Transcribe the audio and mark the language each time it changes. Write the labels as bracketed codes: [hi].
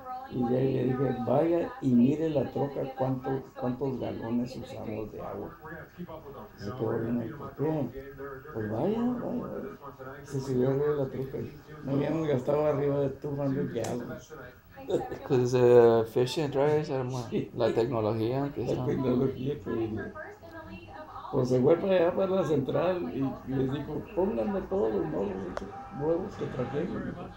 [es] Y ya le dije, vaya y mire la troca cuántos galones usamos de agua. Se quedó bien ahí. ¿Por qué? Pues vaya. Se subió arriba de la troca. No habíamos gastado arriba de 200 gallons. [en] Because it's efficient, right? [es] La tecnología. La tecnología, pues. Pues se fue para allá para la central y les dijo, pónganme todos los nuevos que trajeron.